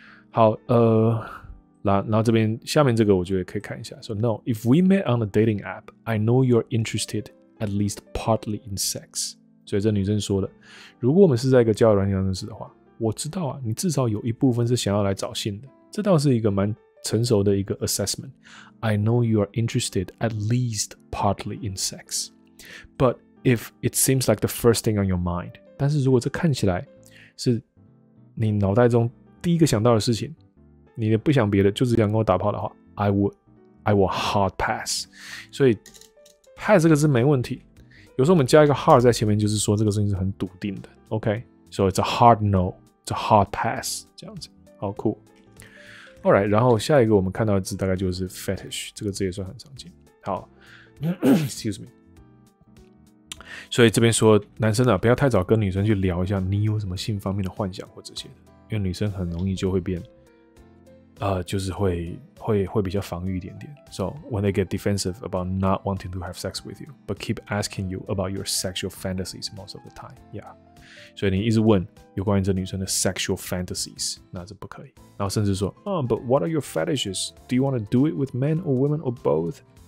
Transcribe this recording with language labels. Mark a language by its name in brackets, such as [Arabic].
[Chinese] 好，然后这边下面这个我觉得可以看一下。 [English] So no, if we met on a dating app, I know you're interested at least partly in sex. [Chinese] 所以这女生说的，如果我们是在一个交友软件上认识的话，我知道啊，你至少有一部分是想要来找性的。这倒是一个蛮成熟的一个 assessment. [English] I know you're interested at least partly in sex. But if it seems like the first thing on your mind, [Chinese] 但是如果这看起来是你脑袋中第一个想到的事情，你不想别的，就只想跟我打炮的话 ， [English] I will hard pass。 [Chinese] 所以 pass 这个字没问题。有时候我们加一个 hard 在前面，就是说这个事情是很笃定的。 [English] OK， 所以 it's a hard no， it's a hard pass， [Chinese] 这样子。好酷。 Alright, 然后下一个我们看到的字大概就是 fetish， 这个字也算很常见。 [English] 好excuse me。 [Chinese] 所以这边说男生啊，不要太早跟女生去聊一下你有什么性方面的幻想或这些的。因为女生很容易就会变就是会比较防御一点点。 [English] So, when they get defensive about not wanting to have sex with you, but keep asking you about your sexual fantasies most of the time. [Chinese] Yeah. 所以你一直问有关于这女生的 sexual fantasies, 那是不可以。然后甚至说 [English] but what are your fetishes? Do you want to do it with men or women or both?